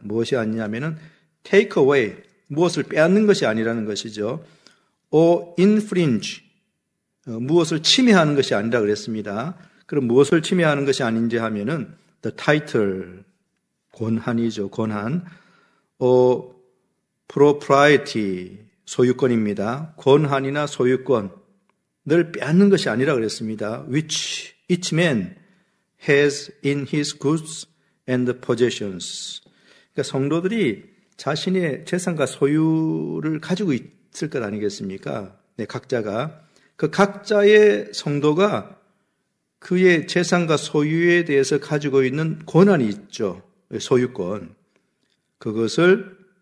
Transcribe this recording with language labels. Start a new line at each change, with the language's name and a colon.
Korean: 무엇이 아니냐면은
English: take away,
Korean: 무엇을 빼앗는 것이 아니라는 것이죠.
English: or infringe,
Korean: 무엇을 침해하는 것이 아니라 그랬습니다. 그럼 무엇을 침해하는 것이 아닌지 하면은
English: the title,
Korean: 권한이죠. 권한.
English: or propriety,
Korean: 소유권입니다. 권한이나 소유권을 빼앗는 것이 아니라 그랬습니다.
English: which each man has in his goods and possessions.
Korean: 그러니까 성도들이 자신의 재산과 소유를 가지고 있을 것 아니겠습니까? 네, 각자가. 그 각자의 성도가 그의 재산과 소유에 대해서 가지고 있는 권한이 있죠. 소유권. 그것을